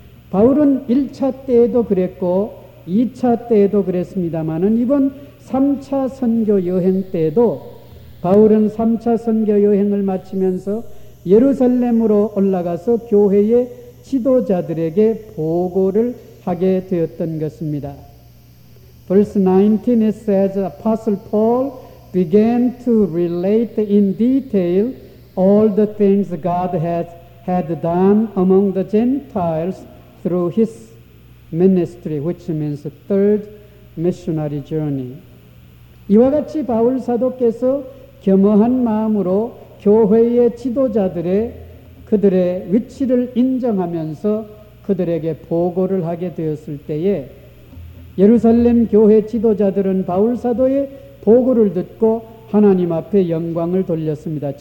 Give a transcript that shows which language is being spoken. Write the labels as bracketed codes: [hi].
[ko] 바울은 1차 때에도 그랬고 2차 때에도 그랬습니다만은 이번 3차 선교 여행 때에도 바울은 3차 선교 여행을 마치면서 예루살렘으로 올라가서 교회의 지도자들에게 보고를 하게 되었던 것입니다. [en] Verse 19 it says Apostle Paul began to relate in detail all the things God had done among the Gentiles through his ministry, which means the third missionary journey. [ko] 이와 같이 바울 사도께서 겸허한 마음으로 교회의 지도자들의 그들의 위치를 인정하면서 그들에게 보고를 하게 되었을 때에 예루살렘 교회 지도자들은 바울 사도의 보고를 듣고 하나님 앞에 영광을 돌렸습니다.